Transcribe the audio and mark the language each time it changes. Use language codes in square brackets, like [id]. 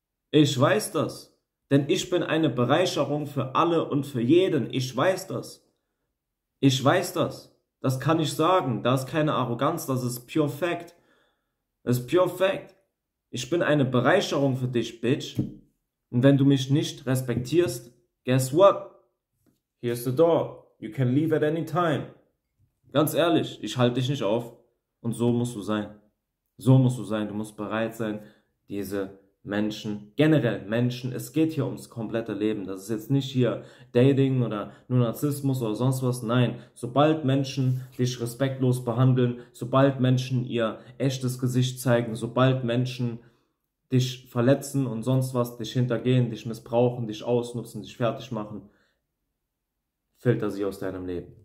[de] Ich weiß das, denn ich bin eine Bereicherung für alle und für jeden, ich weiß das. Ich weiß das, das kann ich sagen, das ist keine Arroganz, das ist pure Fact. Das ist pure Fact. Ich bin eine Bereicherung für dich, Bitch. Und wenn du mich nicht respektierst, [en] guess what? Here's the door, you can leave at any time. [de] Ganz ehrlich, ich halte dich nicht auf und so musst du sein. So musst du sein, du musst bereit sein, diese Menschen, generell Menschen, es geht hier ums komplette Leben. Das ist jetzt nicht hier Dating oder nur Narzissmus oder sonst was. Nein, sobald Menschen dich respektlos behandeln, sobald Menschen ihr echtes Gesicht zeigen, sobald Menschen dich verletzen und sonst was, dich hintergehen, dich missbrauchen, dich ausnutzen, dich fertig machen, filter sie aus deinem Leben.